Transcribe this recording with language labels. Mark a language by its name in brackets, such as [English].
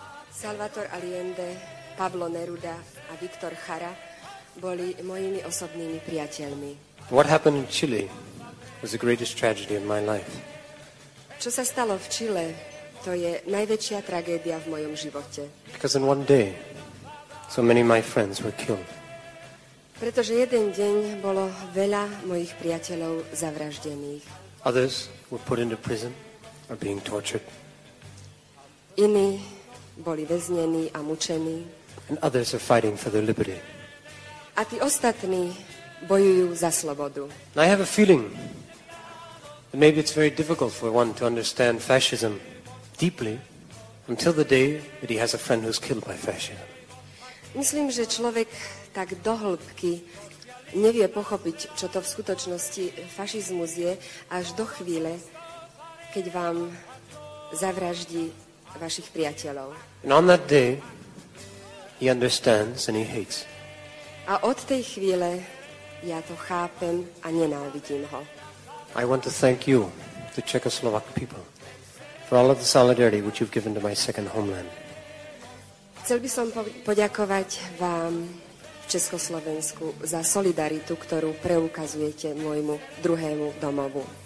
[Slovak] Salvador Allende, Pablo Neruda a Victor Jara boli mojimi osobnými priateľmi. [English] What happened in Chile was the greatest tragedy of my life. [Slovak] Čo sa stalo v Chile, to je najväčšia tragédia v mojom živote. [English] Because in one day, so many of my friends were killed. [Slovak] Pretože jeden deň bolo veľa mojich priateľov zavraždených. [English] Others were put into prison or being tortured. [Slovak] Iní boli väznení a mučení. [English] And others are fighting for their liberty. [Slovak] A tí ostatní bojujú za slobodu. [English] And I have a feeling that maybe it's very difficult for one to understand fascism deeply until the day that he has a friend who's killed by fascism. [Slovak] Myslím, že človek tak do hĺbky nevie pochopiť, čo to v skutočnosti fašizmus je, až do chvíle, keď vám zavraždí vašich priateľov. [English] And on that day, he understands and he hates. [Slovak] A od tej chvíle ja to chápem a nenávidím ho. [English] I want to thank you, the Czechoslovak people, for all of the solidarity which you've given to my second homeland. [Slovak] Chcel by som poďakovať vám v Československu za solidaritu, ktorú preukazujete môjmu druhému domovu.